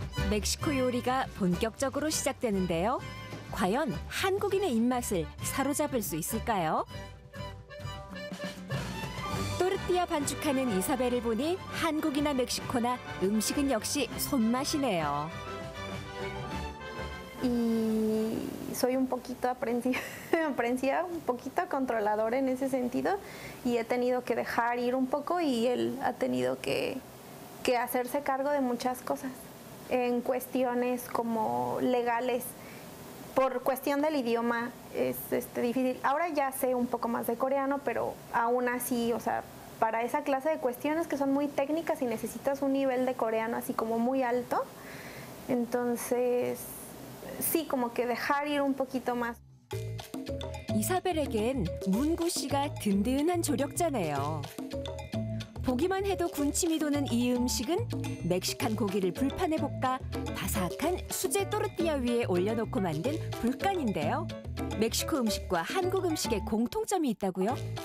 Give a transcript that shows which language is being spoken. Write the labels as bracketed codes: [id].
[ko] 멕시코 요리가 본격적으로 시작되는데요. 과연 한국인의 입맛을 사로잡을 수 있을까요? 또르띠아 반죽하는 이사벨을 보니 한국이나 멕시코나 음식은 역시 손맛이네요. [es] Y soy un poquito aprensiva, un poquito controladora en ese sentido y he tenido que dejar ir un poco y él ha tenido que hacerse cargo de muchas cosas en cuestiones como legales, por cuestión del idioma es difícil. Ahora ya sé un poco más de coreano, pero aún así, o sea, para esa clase de cuestiones que son muy técnicas y necesitas un nivel de coreano así como muy alto, entonces... Sí, como que dejar ir un poquito más. [ko] 이사벨에겐 문구 씨가 든든한 조력자네요. 보기만 해도 군침이 도는 이 음식은 멕시칸 고기를 불판에 볶아 바삭한 수제 또르띠아 위에 올려놓고 만든 불간인데요. 멕시코 음식과 한국 음식의 공통점이 있다고요?